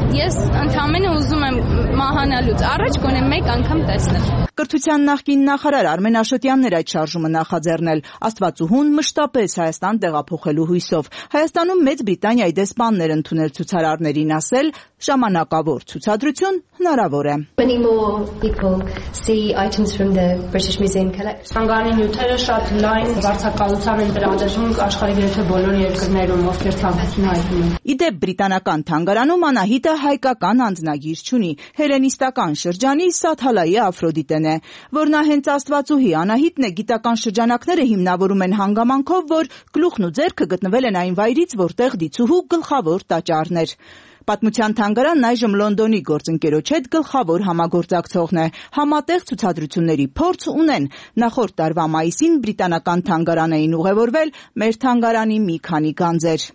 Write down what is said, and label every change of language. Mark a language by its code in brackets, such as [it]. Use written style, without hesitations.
[hy] Ես ընդամենը ուզում եմ մահանալուց առաջ գոնե մեկ անգամ տեսնել։ Կրթության նախկին նախարար Արմեն Աշոտյանն էր այդ շարժումը նախաձեռնել, Աստվածուհուն մշտապես Հայաստան տեղափոխելու հույսով։ Հայաստանում Մեծ Բրիտանիայի դեսպաններ ընդունել ցուցարարներին, ասել ժամանակավոր ցուցադրություն հնարավոր է։ [en] Many more people see items from the British Museum collection. [hy] Թանգարանի նյութերը շատ լայն վարձակալության են տրամադրվում աշխարհի գրեթե բոլոր երկրներում, ովքեր ցանկացին այդ։ Ի դեպ, բրիտանական թանգարանում Անահիտը հայկական անձնագիր չունի, հելենիստական շրջանի Սաթալայի Աֆրոդիտեն է։ Որ նա հենց Աստվածուհի Անահիտն է, գիտական շրջանակները հիմնավորում են հանգամանքով, որ գլուխն ու ձեռքը գտնվել են այն վայրից, որտեղ դիցուհու գլխավոր տաճարն էր։ Պատմության թանգարանն այժմ Լոնդոնի գործընկերոջ հետ գլխավոր համագործակցողն է։ Համատեղ ցուցադրությունների փորձ ունեն։ Նախորդ տարվա մայիսին բրիտանական թանգարան էին ուղևորվել մեր թանգարանի մի քանի գանձեր։